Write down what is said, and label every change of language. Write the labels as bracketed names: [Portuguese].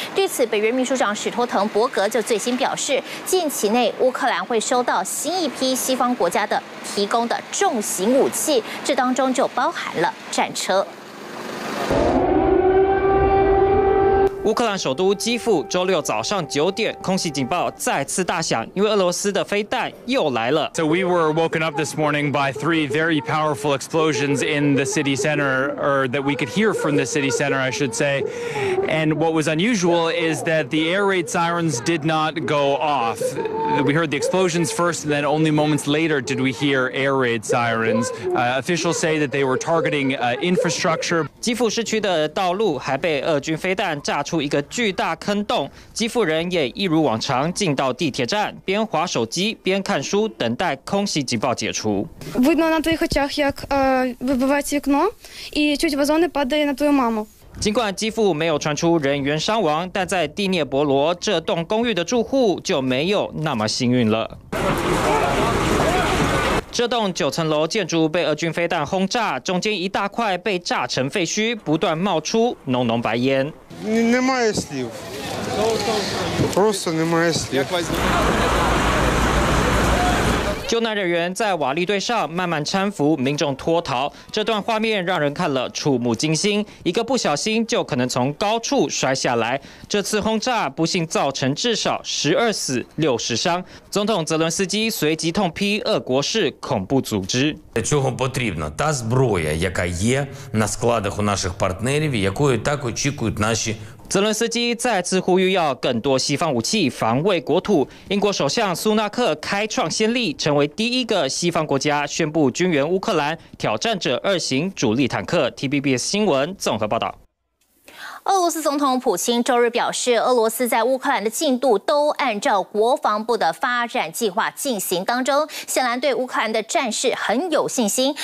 [Chinese] 对此，北约秘书长史托滕伯格就最新表示，近期内乌克兰会收到新一批西方国家的提供的重型武器，这当中就包含了战车。乌克兰首都基辅周六早上9点，空袭警报再次大响，因为俄罗斯的飞弹又来了。 [English] So we were woken up this morning by 3 very powerful explosions in the city center, or that we could hear from the city center, I should say. And what was unusual is that the air raid sirens did not go off. We heard the explosions first, and then only moments later did we hear air raid sirens. Officials say that they were targeting infrastructure. [Chinese] 基辅市区的道路还被俄军飞弹炸。出一个巨大坑洞，基辅人也一如往常进到地铁站，边滑手机边看书，等待空袭警报解除。 [Ukrainian] Видно на твоїх очах, як вибивається вікно, і чуть вазони падає на твою маму。 [Chinese] 尽管基辅没有传出人员伤亡，但在第聂伯罗这栋公寓的住户就没有那么幸运了。这栋9层楼建筑被俄军飞弹轰炸，中间一大块被炸成废墟，不断冒出浓浓白烟。 [Ukrainian] Немає слів. Просто немає слів. [Chinese] 救难人员在瓦砾堆上慢慢搀扶民众脱逃，这段画面让人看了触目惊心，一个不小心就可能从高处摔下来。这次轰炸不幸造成至少12死60伤。总统泽伦斯基随即痛批俄国是恐怖组织。 [Ukrainian] Чого потрібно? Та зброя, яка є на складах у наших партнерів, якої так очікують наші。 [Chinese] 泽伦斯基再次呼吁要更多西方武器防卫国土。英国首相苏纳克开创先例，成为第一个西方国家宣布军援乌克兰挑战者二型主力坦克。 TBS 新闻综合报道。俄罗斯总统普京周日表示，俄罗斯在乌克兰的进度都按照国防部的发展计划进行当中，显然对乌克兰的战事很有信心。